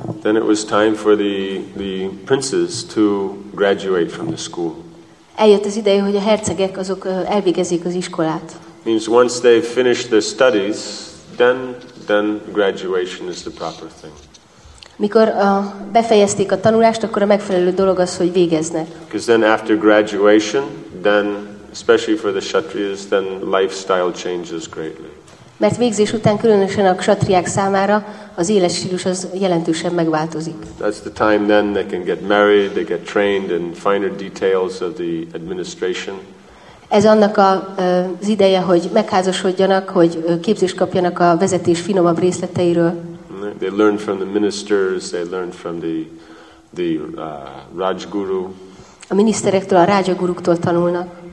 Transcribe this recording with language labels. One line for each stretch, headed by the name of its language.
English: then it was time for the princes to graduate from the school.
Hungarian: Eljött az ideje, hogy a hercegek azok elvégezzék az iskolát.
English: Means once they finish their studies, then graduation is the proper thing.
Hungarian: Mikor befejezték a tanulást, akkor a megfelelő dolog az, hogy végeznek.
English: Because then after graduation, then especially for the kshatriyas, then lifestyle changes greatly.
Hungarian: Mert végzés után különösen a kshatriyák számára az életstílus az jelentősen megváltozik.
English: That's the time then they can get married, they get trained in finer details of the administration.
Hungarian: Ez annak az ideje, hogy megházasodjanak, hogy képzést kapjanak a vezetés finomabb részleteiről.
English: They learn from the ministers, they learn from the Rajguru.
Hungarian: A miniszterektől, a Rajaguruktól tanulnak.